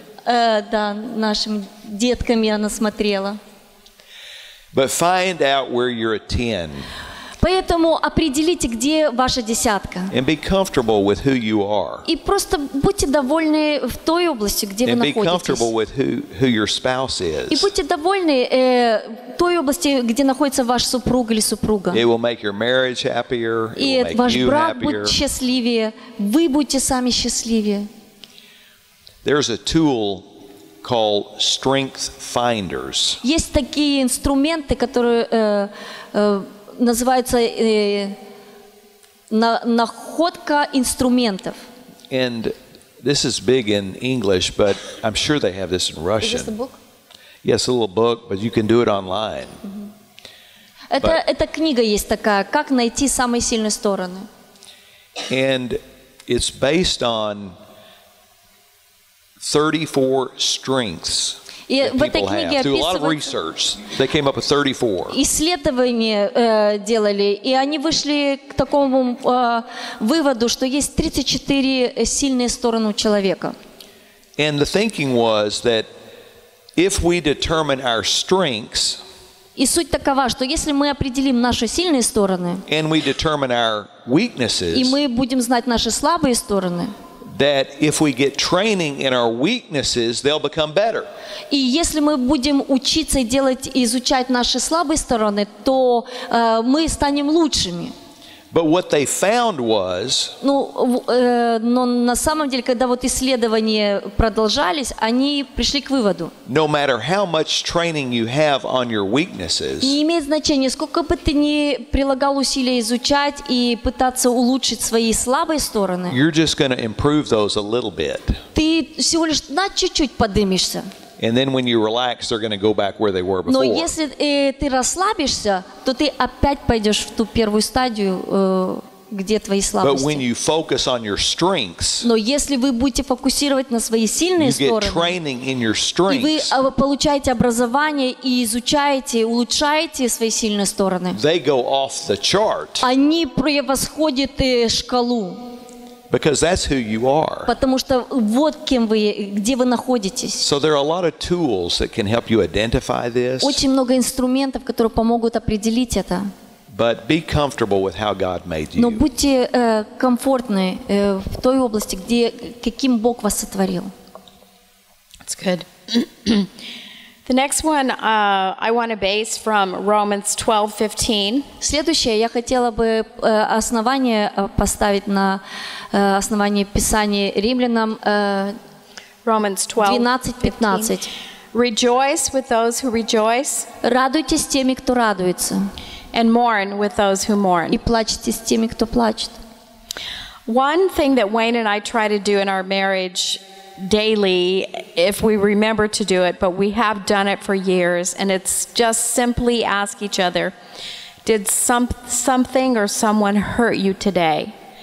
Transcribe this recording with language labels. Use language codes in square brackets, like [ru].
[ru] да, нашим деткам я насмотрела. [en] But find out where you're a 10. [ru] Поэтому определите, где ваша десятка. [en] And be comfortable with who you are. [ru] И просто будьте довольны в той области, где [en] And [ru] вы находитесь. [en] And be comfortable with who your spouse is. [ru] И будьте довольны той области, где находится ваш супруг или супруга. [en] It will make your marriage happier. [ru] И ваш брак будет счастливее. Вы будете сами счастливее. [en] There's a tool called Strength Finders. [ru] Есть такие инструменты, которые называются находка инструментов. [en] And this is big in English, but I'm sure they have this in Russian. Is this a book? Yes, a little book, but you can do it online. [ru] Это книга есть такая, как найти самые сильные стороны. [en] And it's based on 34 strengths. [ru] И в этой книге описывается исследование делали, и они вышли к такому выводу, что есть 34 сильные стороны у человека. [en] And the thinking was that if we determine our strengths, [ru] и суть такова, что если мы определим наши сильные стороны, [en] and we determine our weaknesses, [ru] и мы будем знать наши слабые стороны, [en] that if we get training in our weaknesses, they'll become better. [ru] И если мы будем учиться и делать, изучать наши слабые стороны, то мы станем лучшими. [en] But what they found was, [ru] но на самом деле, когда вот исследования продолжались, они пришли к выводу. [en] No matter how much training you have on your weaknesses, [ru] не имеет значения, сколько бы ты ни прилагал усилий изучать и пытаться улучшить свои слабые стороны, [en] you're just going to improve those a little bit. [ru] Ты всего лишь на чуть-чуть подымешься. [en] And then when you relax, they're going to go back where they were before. [ru] Но если ты расслабишься, то ты опять пойдешь в ту первую стадию, где твои слабости. [en] But when you focus on your strengths, [ru] но если вы будете фокусировать на свои сильные стороны, [en] you get training in your strengths, [ru] и вы получаете образование и изучаете, улучшаете свои сильные стороны, [en] they go off the chart. [ru] Они превосходят шкалу. [en] Because that's who you are. [ru] Потому что вот кем вы, где вы находитесь. [en] So there are a lot of tools that can help you identify this. [ru] Очень много инструментов, которые помогут определить это. [en] But be comfortable with how God made you. [ru] Но будьте комфортны в той области, где каким Бог вас сотворил. [en] That's good. The next one I want to base from Romans 12:15. [ru] Следующее я хотела бы основание поставить на основании Писания Римлянам [en] Romans 12:15. Rejoice with those who rejoice. [ru] Радуйтесь теми, кто радуется. [en] And mourn with those who mourn. [ru] И плачьте с теми, кто плачет. [en] One thing that Wayne and I try to do in our marriage daily, if we remember to do it, but we have done it for years, and it's just simply ask each other, did something or someone hurt you today?